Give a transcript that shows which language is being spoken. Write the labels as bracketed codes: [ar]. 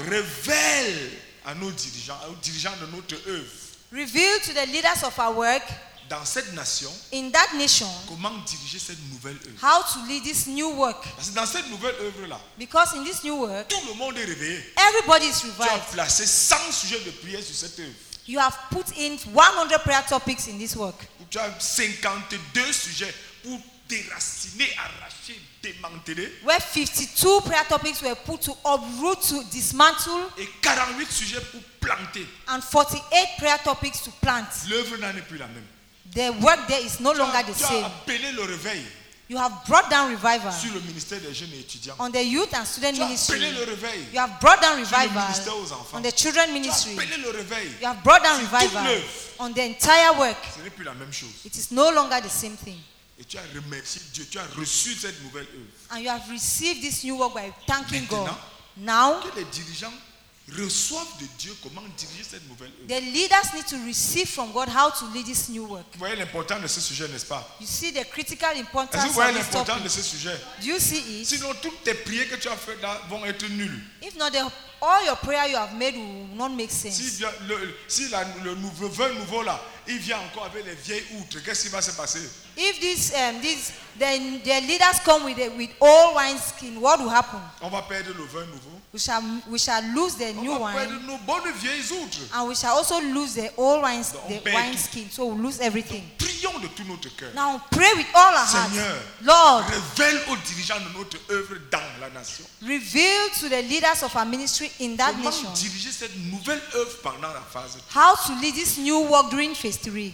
[fr] Révèle à nos dirigeants, aux dirigeants de notre œuvre. [en] Reveal to the leaders of our work. [fr] Dans cette nation. [en] In that nation. [fr] Comment diriger cette nouvelle œuvre? [en] How to lead this new work? [fr] Parce que dans cette nouvelle œuvre là. [en] Because in this new work. [fr] Tout le monde est réveillé. [en] Everybody is revived. [fr] Tu as placé 100 sujets de prière sur cette œuvre. [en] You have put in 100 prayer topics in this work. [fr] Tu as 52 sujets pour déraciner, arracher, démanteler. [en] Where 52 prayer topics were put to uproot, to dismantle. [fr] Et 48 sujets pour planter. [en] And 48 prayer topics to plant. [fr] L'œuvre n'en est plus la même. [en] The work there is no longer the same. [fr] Tu as appelé le réveil. [en] You have brought down revival. [fr] Sur le ministère des jeunes et étudiants. [en] On the youth and student ministry. [fr] Tu as appelé le réveil. [en] You have brought down revival. [fr] Sur le ministère aux enfants. [en] On the children ministry. [fr] Tu as appelé le réveil. [en] You have brought down revival. [fr] Sur toute l'œuvre. [en] On the entire work. [fr] Ce n'est plus la même chose. [en] It is no longer the same thing. [fr] Et tu as remercié Dieu. Tu as reçu cette nouvelle œuvre. [en] And you have received this new work by thanking [fr] Maintenant, [en] God. Now. [fr] Que les dirigeants reçoivent de Dieu comment diriger cette nouvelle œuvre. [en] The leaders need to receive from God how to lead this new work. [fr] Vous voyez l'important de ce sujet, n'est-ce pas? [en] You see the critical importance. [fr] Est-ce que vous voyez l'important de ce sujet? [en] Do you see it? [fr] Sinon, toutes tes prières que tu as faites là vont être nulles. [en] If not, all your prayer you have made will not make sense. [fr] Si le nouveau là, il vient encore avec les vieilles outres, qu'est-ce qui va se passer? [en] If the leaders come with old wineskin, what will happen? [fr] On va perdre le vin nouveau. [en] We shall lose the [fr] on [en] new wine. [fr] On va perdre nos bonnes vieilles outres. [en] And we shall also lose the old wineskin. So we'll lose everything. [fr] Donc, prions de tout notre cœur. [en] Now pray with all our [fr] Seigneur, [en] hearts. Lord, [fr] révèle aux dirigeants de notre œuvre dans la nation. [en] Reveal to the leaders of our ministry in that [fr] comment [en] nation. [fr] Comment diriger cette nouvelle œuvre pendant la phase 3. [en] How to lead this new work during phase 3.